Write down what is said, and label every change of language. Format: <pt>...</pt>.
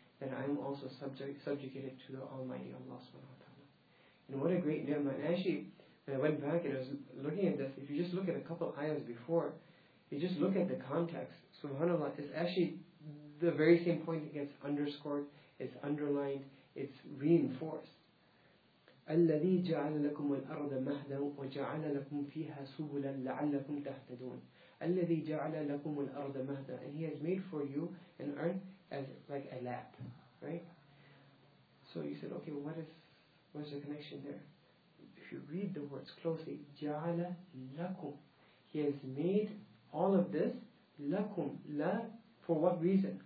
<en>then I'm also subjugated to the Almighty Allah subhanahu wa ta'ala. And what a great ni'mah. And actually, when I went back and I was looking at this, if you just look at a couple of ayahs before, you just look at the context, subhanAllah, it's actually the very same point that gets underscored, it's underlined, it's reinforced.</en> <ar>الذي جعل لكم الأرض مهدا وجعل لكم فيها سبلا لعلكم تهتدون. الذي جعل لكم الأرض مهدا.</ar> <en>And he has made for you an earth as like a lap, right? So you said, okay, what's the connection there? If you read the words closely,</en> <ar>جعل لكم.</ar> <en>He has made all of this لكم. لا for what reason?</en>